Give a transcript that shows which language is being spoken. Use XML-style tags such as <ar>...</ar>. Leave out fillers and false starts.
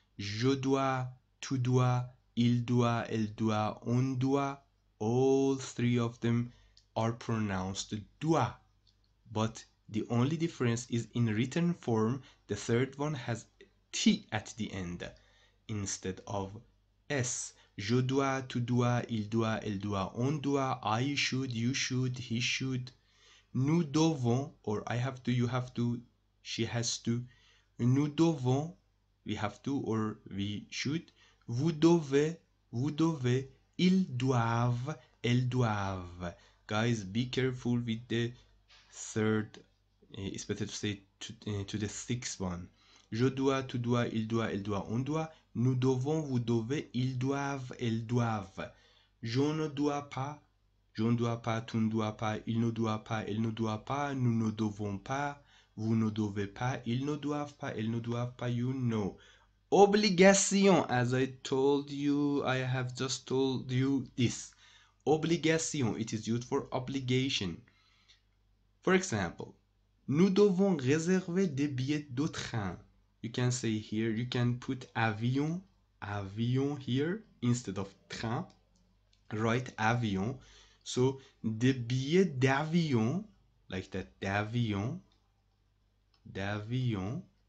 <fr>Je dois, tu dois, il doit, elle doit, on doit.</fr> <en>All three of them are pronounced doit. But the only difference is in written form, the third one has T at the end instead of S.</en> <fr>Je dois, tu dois, il doit, elle doit, on doit,</fr> <en>I should, you should, he should.</en> <fr>Nous devons,</fr> <en>or I have to, you have to, she has to.</en> <fr>Nous devons,</fr> <en>we have to, or we should.</en> <fr>Vous devez, elles doivent.</fr> <en>Guys, be careful with the third, it's better to say to the sixth one.</en> <fr>Je dois, tu dois, il doit, elle doit, on doit. Nous devons, vous devez, ils doivent, elles doivent. Je ne dois pas. Je ne dois pas, tu ne dois pas, il ne doit pas, elle ne doit pas, nous ne devons pas, vous ne devez pas, ils ne doivent pas, elles ne doivent pas,</fr> <en>you know. Obligation, as I told you, I have just told you this. Obligation, it is used for obligation. For example,</en> <fr>nous devons réserver des billets de train.</fr> <en>You can say here, you can put avion, avion here, instead of train, write avion. So,</en> <fr>des billets d'avion,</fr> <en>like that,</en> <fr>d'avion, d'avion.</fr>